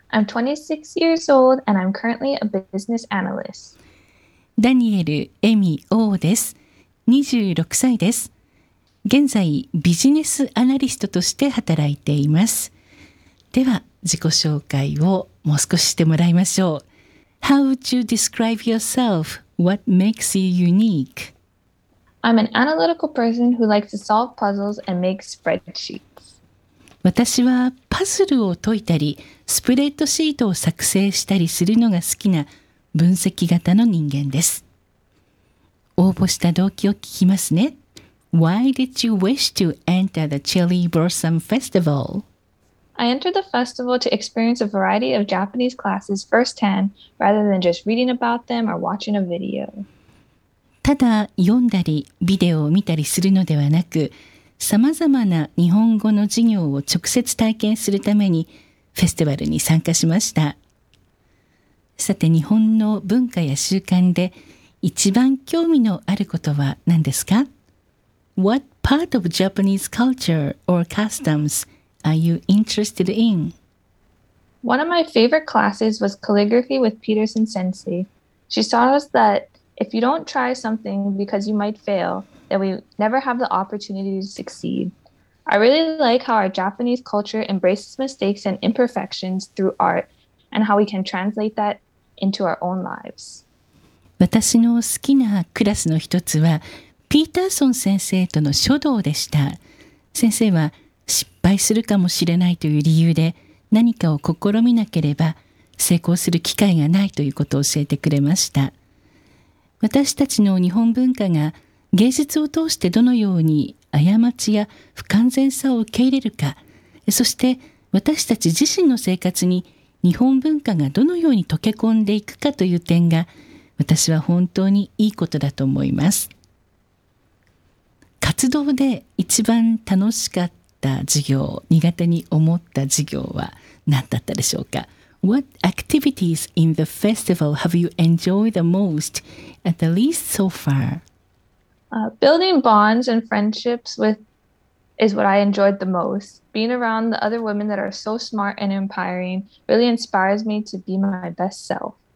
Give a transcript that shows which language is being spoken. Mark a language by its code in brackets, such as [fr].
[en] I'm 26 years old and I'm currently a business analyst. [ja] ダニエル・エミ・オーです。26歳です。現在、ビジネスアナリストとして働いています。では、自己紹介をもう少ししてもらいましょう。 [en] How would you describe yourself? What makes you unique? I'm an analytical person who likes to solve puzzles and make spreadsheets. [ja] 私はパズルを解いたり、スプレッドシートを作成したりするのが好きな分析型の人間です。応募した動機を聞きますね。 [en] Why did you wish to enter the Cherry Blossom Festival? I entered the festival to experience a variety of Japanese classes firsthand rather than just reading about them or watching a video. [ja] ただ読んだりビデオを見たりするのではなく、さまざまな日本語の授業を直接体験するためにフェスティバルに参加しました。さて、日本の文化や習慣で一番興味のあることは何ですか? [en] What part of Japanese culture or customsAre you interested in? One of my favorite classes was calligraphy with Peterson Sensei. She taught us that if you don't try something because you might fail, then we never have the opportunity to succeed. I really like how our Japanese culture embraces mistakes and imperfections through art and how we can translate that into our own lives. [ja] 私の好きなクラスの一つは、ピーターソン先生との書道でした。先生は失敗するかもしれないという理由で何かを試みなければ成功する機会がないということを教えてくれました。私たちの日本文化が芸術を通してどのように過ちや不完全さを受け入れるか、そして私たち自身の生活に日本文化がどのように溶け込んでいくかという点が私は本当にいいことだと思います。活動で一番楽しかった授業、苦手に思った授業は何だったでしょうか? [en] What activities in the festival have you enjoyed the most, at the least so far? Building bonds and friendships is what I enjoyed the most. Being around the other women that are so smart and empowering really inspires me to be my best self.